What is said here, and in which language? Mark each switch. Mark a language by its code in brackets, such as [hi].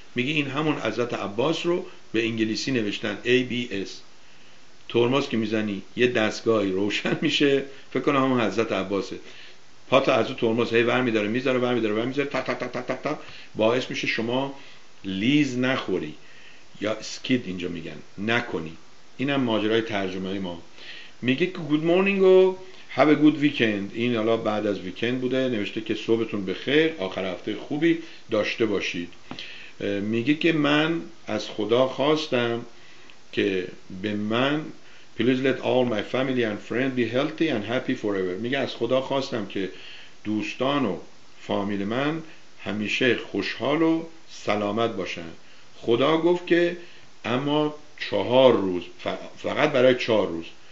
[fa] میگه این همون حضرت عباس رو به انگلیسی نوشتن ABS، ترمز که میزنی یه دستگاهی روشن میشه، فکر کنم همون حضرت عباسه، پاتو از اون ترمز هی برمیداره میذاره برمیداره برمیذاره تا تا تا تا تا تا باعث میشه شما لیز نخوری یا اسکید اینجا میگن نکنی. اینم ماجرای ترجمه ما. میگه [en] good morning و how a good weekend, [fa] این حالا بعد از ویکند بوده، نوشته که صبحتون بخیر، آخر هفته خوبی داشته باشید. میگه که من از خدا خواستم که به من [en] please let all my family and friends be healthy and happy forever. [fa] میگه از خدا خواستم که دوستان و فامیل من همیشه خوشحال و سلامت باشن. خدا گفت که اما 4 روز، فقط برای 4 روز.